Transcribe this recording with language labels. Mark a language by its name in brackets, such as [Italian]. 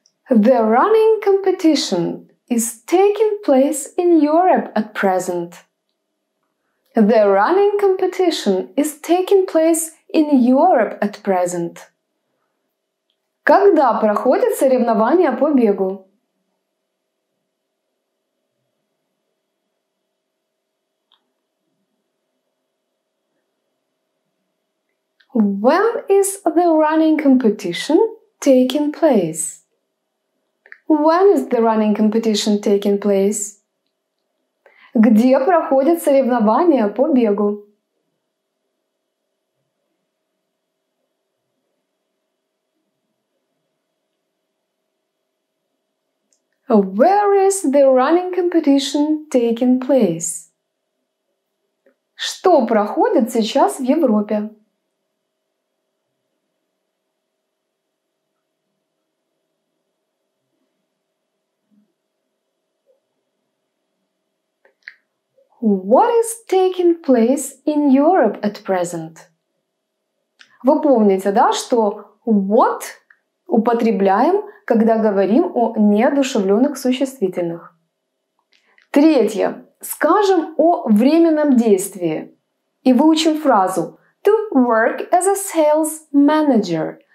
[English] The running competition is taking place in Europe at present. The running competition is taking place in Europe at present. [Russian] Когда проходят соревнования по бегу? [English] When is the running competition taking place? When is the running competition taking place? [Russian] Где проходят соревнования по бегу? [English] Where is the running competition taking place? [Russian] Что проходит сейчас в Европе? [English] What is taking place in Europe at present? [Russian] Вы помните, да, что what употребляем, когда говорим о неодушевленных существительных. Третье. Скажем о временном действии. И выучим фразу [English] to work as a sales manager.